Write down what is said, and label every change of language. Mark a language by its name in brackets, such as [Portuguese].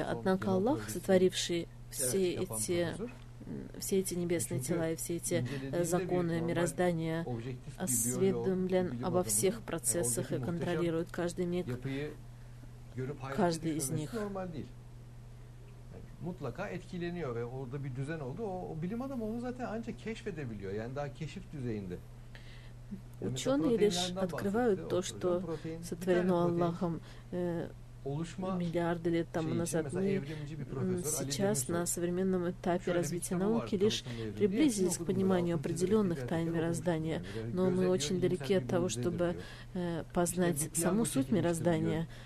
[Russian] Однако Аллах, сотворивший все эти небесные тела и все эти законы мироздания, осведомлен обо всех процессах и контролирует каждый миг, каждый из них. [Turkish] Mutlaka etkileniyor ve orada bir düzen oldu. O bilim adamı onu zaten ancak keşfedebiliyor. Yani daha keşif düzeyinde. [Russian] Ученые лишь открывают то, что сотворено Аллахом миллиарды лет тому назад. Мы сейчас на современном этапе развития науки лишь приблизились к пониманию определенных тайн мироздания, но мы очень далеки от того, чтобы познать саму суть мироздания.